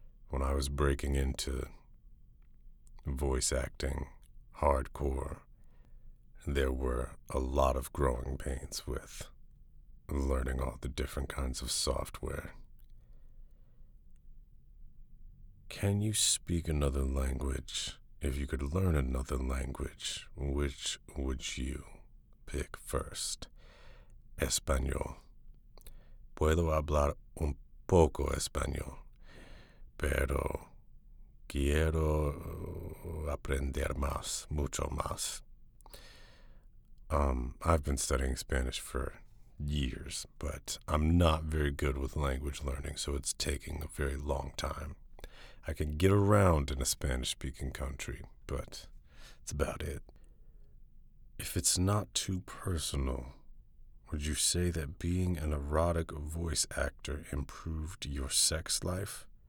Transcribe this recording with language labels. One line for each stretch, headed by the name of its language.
English: When I was breaking into voice acting hardcore, there were a lot of growing pains with learning all the different kinds of software. Can you speak another language? If you could learn another language, which would you pick first?
Spanish: Español. Puedo hablar un poco español, pero quiero aprender más, mucho más.
English: I've been studying Spanish for years, but I'm not very good with language learning, so it's taking a very long time. I can get around in a Spanish-speaking country, but that's about it. If it's not too personal, would you say that being an erotic voice actor improved your sex life?